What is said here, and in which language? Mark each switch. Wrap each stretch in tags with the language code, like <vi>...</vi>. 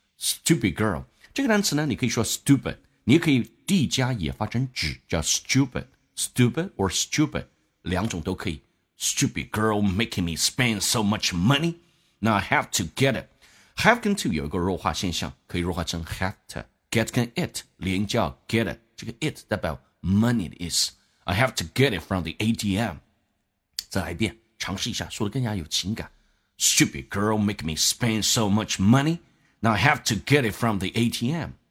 <en>Stupid girl,</en> <zh>这个单词呢，你可以说 stupid, 你也可以 D 加也发成指，叫 stupid,</zh> <en>stupid or stupid.</en> <zh>两种都可以。</zh> <en>Stupid girl making me spend so much money. Now I have to get it.</en> <zh>Have 跟 to 有一个弱化现象，可以弱化成 have to. Get 跟 it 连叫 get it， 这个 it 代表 money 的意思。</zh> <en>I have to get it from the ATM.</en> <zh>再来一遍，尝试一下，说得更加有情感。</zh> <en>Stupid girl making me spend so much money. Now I have to get it from the ATM.</en>